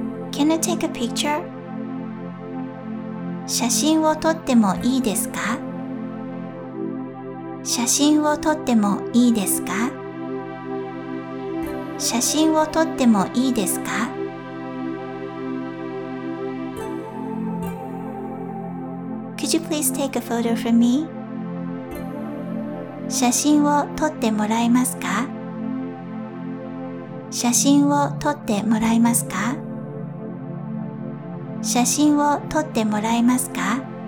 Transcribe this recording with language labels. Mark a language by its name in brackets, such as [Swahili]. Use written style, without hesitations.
[English] Can I take a picture? [Japanese] 写真を撮ってもいいですか？写真を撮ってもいいですか？写真を撮ってもいいですか？ [English] Could you please take a photo for me? [Japanese] 写真を撮ってもらえますか？写真を撮ってもらえますか？写真を撮ってもらえますか？